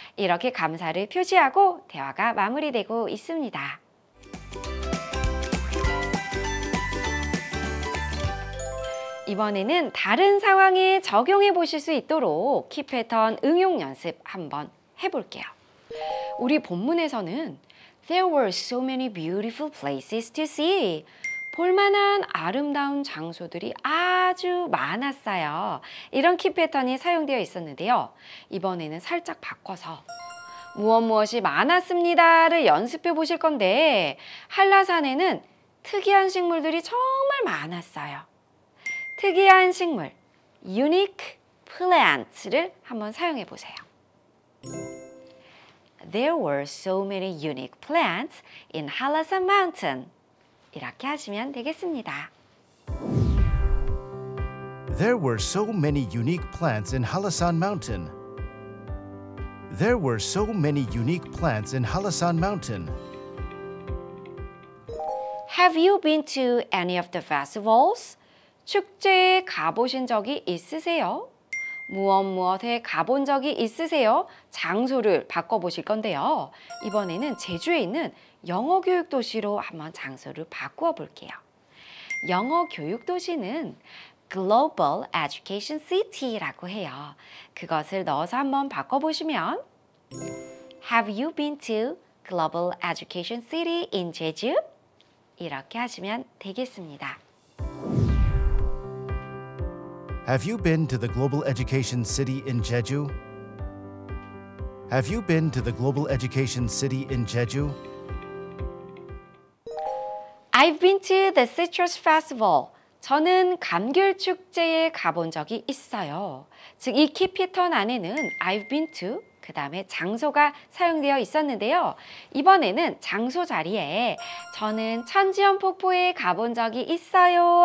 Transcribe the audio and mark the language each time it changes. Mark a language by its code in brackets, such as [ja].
[ko] 이렇게 감사를 표시하고 대화가 마무리되고 있습니다. 이번에는 다른 상황에 적용해 보실 수 있도록 키 패턴 응용 연습 한번 해볼게요. 우리 본문에서는 [en] There were so many beautiful places to see. [ko] 볼만한 아름다운 장소들이 아주 많았어요. 이런 키 패턴이 사용되어 있었는데요. 이번에는 살짝 바꿔서 무엇무엇이 많았습니다를 연습해 보실 건데 한라산에는 특이한 식물들이 정말 많았어요. 특이한 식물, unique plants를 한번 사용해 보세요. [en] There were so many unique plants in Halasan Mountain. [ko] 이렇게 하시면 되겠습니다. [en] There were so many unique plants in Halasan Mountain. There were so many unique plants in Halasan Mountain. Have you been to any of the festivals? [ko] 축제에 가보신 적이 있으세요? 무엇무엇에 가본 적이 있으세요? 장소를 바꿔보실 건데요. 이번에는 제주에 있는 영어교육도시로 한번 장소를 바꾸어 볼게요. 영어교육도시는 Global Education City라고 해요. 그것을 넣어서 한번 바꿔보시면 [en] Have you been to Global Education City in Jeju? [ko] 이렇게 하시면 되겠습니다. [en] Have you been to the Global Education City in Jeju? Have you been to the Global Education City in Jeju? I've been to the Citrus Festival. [ko] 저는 감귤 축제에 가본 적이 있어요. 즉, 이 키 패턴 안에는 [en] I've been to, [ko] 그 다음에 장소가 사용되어 있었는데요. 이번에는 장소 자리에 저는 천지연 폭포에 가본 적이 있어요.